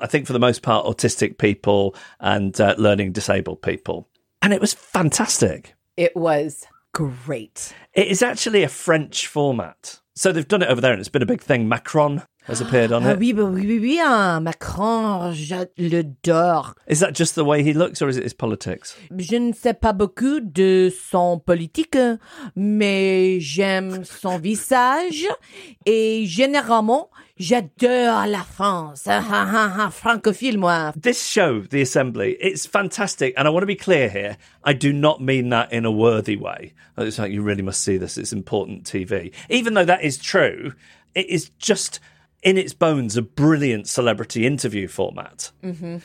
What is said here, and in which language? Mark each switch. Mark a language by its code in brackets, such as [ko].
[en] I think for the most part, autistic people and learning disabled people. And it was fantastic. It was great. It is actually a French format. So they've done it over there and it's been a big thing. Macron has appeared on it. [fr] Oui, Macron, je l'adore. [en] Is that just the way he looks or is it his politics? [fr] Je ne sais pas beaucoup de son politique, mais j'aime son visage. Et généralement, j'adore la France. Francophile, moi. [en] This show, The Assembly, it's fantastic. And I want to be clear here. I do not mean that in a worthy way. It's like, you really must see this. It's important TV. Even though that is true, it is just, in its bones, a brilliant celebrity interview format. Mm-hmm.